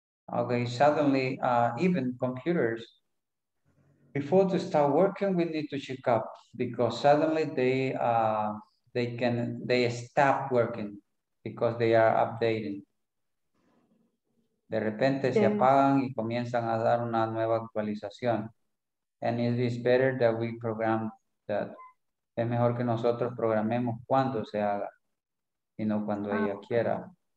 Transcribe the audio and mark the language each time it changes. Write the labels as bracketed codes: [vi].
[en] Okay, suddenly, even computers, before to start working, we need to check up because suddenly they stop working because they are updating. [es] De repente se apagan y comienzan a dar una nueva actualización. [en] And it is better that we program that. [es] Es mejor que nosotros programemos cuando se haga y no cuando ella quiera.